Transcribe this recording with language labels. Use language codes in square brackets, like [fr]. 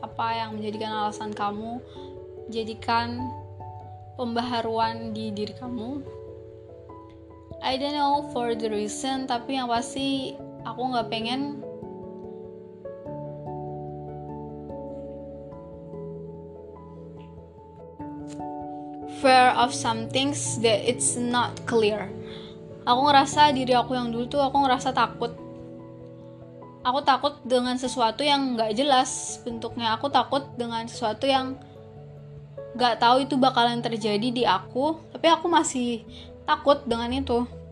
[id] Apa yang menjadikan alasan kamu jadikan pembaharuan di diri kamu? [en] I don't know for the reason, [id] tapi yang pasti aku gak pengen [en] fear of some things that it's not clear. [id] Aku ngerasa diri aku yang dulu tuh aku ngerasa takut. Aku takut dengan sesuatu yang gak jelas bentuknya. Aku takut dengan sesuatu yang gak tahu itu bakalan terjadi di aku, tapi aku masih takut dengan itu.